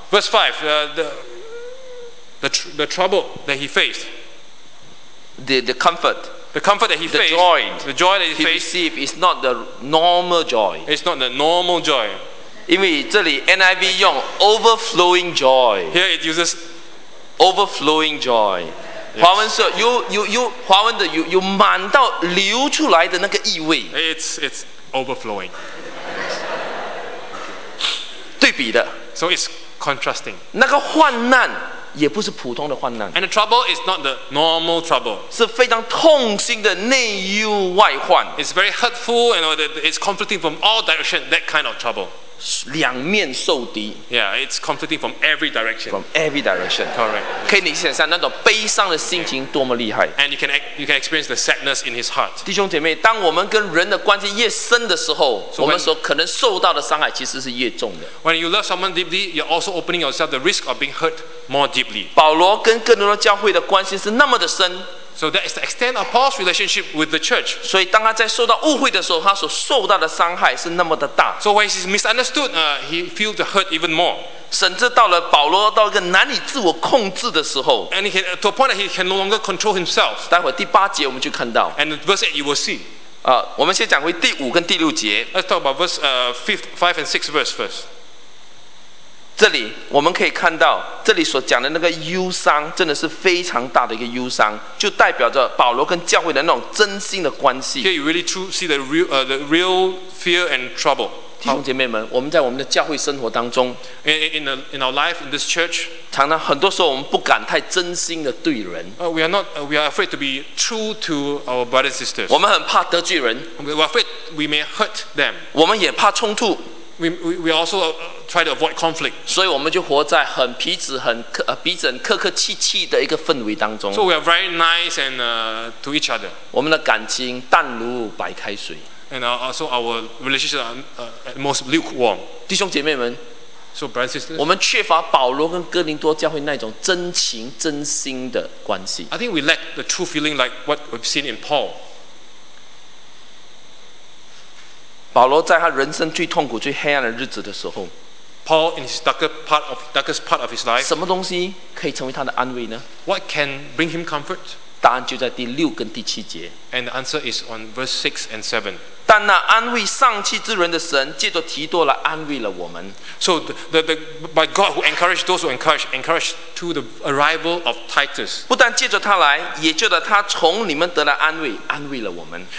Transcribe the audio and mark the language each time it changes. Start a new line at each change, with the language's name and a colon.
English: Verse 5, the trouble that he faced. The comfort. The comfort that he the faced. Joy, the joy that he received is not the normal joy. It's not the normal joy.
Chinese: 因为这里 NIV 用
English: overflowing joy. Here it uses overflowing joy.
Chinese: 华文说 you 华文的 you 满到流出来的那个意味。
English: It's overflowing.
Chinese: 对比的。
English: So it's. Contrasting.
Chinese: 那个患难也不是普通的患难。
English: And the trouble is not the normal trouble.
Chinese: 是非常痛心的内忧外患。
English: It's very hurtful, and you know, it's conflicting from all directions. That kind of trouble.
Chinese: 两面受敌。
English: Yeah, it's conflicting from every direction. From every direction. Correct.
Chinese: 可以你想象那种悲伤的心情多么厉害。
English: And you can experience the sadness in his heart.
Chinese: 弟兄姐妹，当我们跟人的关系越深的时候，我们所可能受到的伤害其实是越重的。
English: When you love someone deeply, you're also opening yourself the risk of being hurt more deeply.
Chinese: 保罗跟哥林多教会的关系是那么的深。
English: So that is the extent of Paul's relationship with the church.
Chinese: 所以当他在受到误会的时候，他所受到的伤害是那么的大。
English: So when he's misunderstood, he feels the hurt even more.
Chinese: 甚至到了保罗到一个难以自我控制的时候。
English: And he to a point that he can no longer control himself.
Chinese: 待会第八节我们就看到。
English: And verse 8 you will see.
Chinese: 我们先讲回第五跟第六节。
English: Let's talk about verse 5 and 6 verse first.
Chinese: 这里我们可以看到，这里所讲的那个忧伤，真的是非常大的一个忧伤，就代表着保罗跟教会的那种真心的关系。
English: Here you really truly see the real fear and trouble.
Chinese: 弟兄姐妹们，我们在我们的教会生活当中
English: ，in our life in this church，
Chinese: 常常很多时候我们不敢太真心的对人。
English: We are afraid to be true to our brothers and sisters.
Chinese: 我们很怕得罪人。
English: We are afraid we may hurt them.
Chinese: 我们也怕冲突。
English: we also try to avoid conflict.
Chinese: 所以我们就活在很皮子很客彼此很客客气气的一个氛围当中。
English: So we are very nice and to each other.
Chinese: 我们的感情淡如白开水。
English: And also our relationship are at most lukewarm.
Chinese: 弟兄姐妹们。
English: So brothers and sisters.
Chinese: 我们缺乏保罗跟哥林多教会那种真情真心的关系。
English: I think we lack the true feeling like what we've seen in Paul.
Chinese: 保罗在他人生最痛苦、最黑暗的日子的时候
English: ，Paul in his darkest part of his life，
Chinese: 什么东西可以成为他的安慰呢
English: ？What can bring him comfort？
Chinese: 答案就在第六跟第七节。
English: And the answer is on verse 6 and 7。
Chinese: 但那安慰丧气之人的神，借着提多来安慰了我们。
English: So the by God who encouraged those who encouraged to the arrival of Titus。
Chinese: 不但借着他来，也借着他从你们得了安慰，安慰了我们。